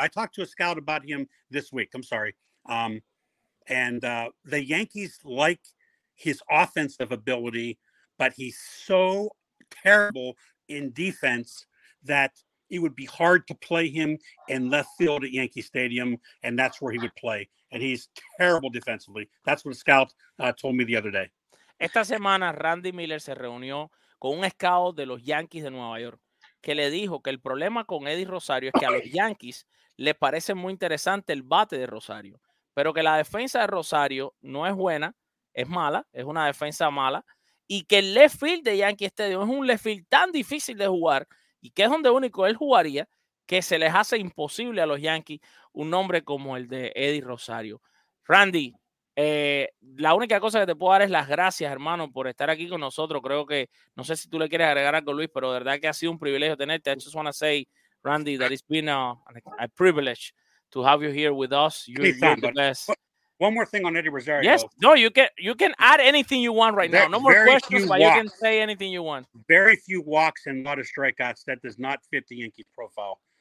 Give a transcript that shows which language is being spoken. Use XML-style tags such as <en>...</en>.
<en>I talked to a scout about him this week. I'm sorry. The Yankees like his offensive ability, but he's so terrible in defense that it would be hard to play him in left field at Yankee Stadium, and that's where he would play. And he's terrible defensively. That's what a scout told me the other day.</en> <es>Esta semana, Randy Miller se reunió con un scout de los Yankees de Nueva York, que le dijo que el problema con Eddie Rosario es que a los Yankees les parece muy interesante el bate de Rosario, pero que la defensa de Rosario no es buena, es mala, es una defensa mala, y que el left field de Yankee Stadium es un left field tan difícil de jugar, y que es donde único él jugaría, que se les hace imposible a los Yankees un nombre como el de Eddie Rosario. Randy, la única cosa que te puedo dar es las gracias, hermano, por estar aquí con nosotros. Creo que, no sé si tú le quieres agregar algo, Luis, pero de verdad que ha sido un privilegio tenerte.</es> <en>I just want to say, Randy, that it's been a privilege to have you here with us. You're the best. One more thing on Eddie Rosario. Yes, no, you can add anything you want right now. No more questions, but you can say anything you want. Very few walks and a lot of strikeouts. That does not fit the Yankee profile.</en>